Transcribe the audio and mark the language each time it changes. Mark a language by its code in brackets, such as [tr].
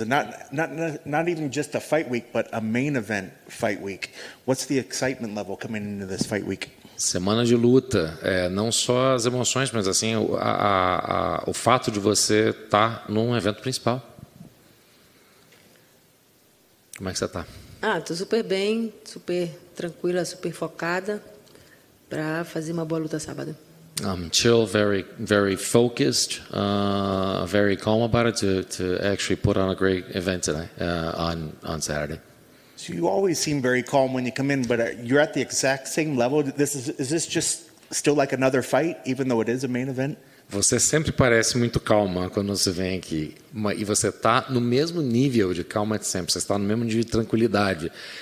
[en] And not even just a fight week, but a main event fight week. What's the excitement level coming into this fight week? [pt] Semana de luta. É, não só as emoções, mas assim o fato de você estar num evento principal. Como é que você está? Ah, estou super bem, super tranquila, super focada para fazer uma boa luta sábado. [en] I'm chill, very, very focused, very calm about it to actually put on a great event tonight on Saturday. So you always seem very calm when you come in, but you're at the exact same level. Is this just still like another fight, even though it is a main event? [pt] Você sempre parece muito calma quando você vem aqui, e você está no mesmo nível de calma de sempre, você está no mesmo nível de tranquilidade.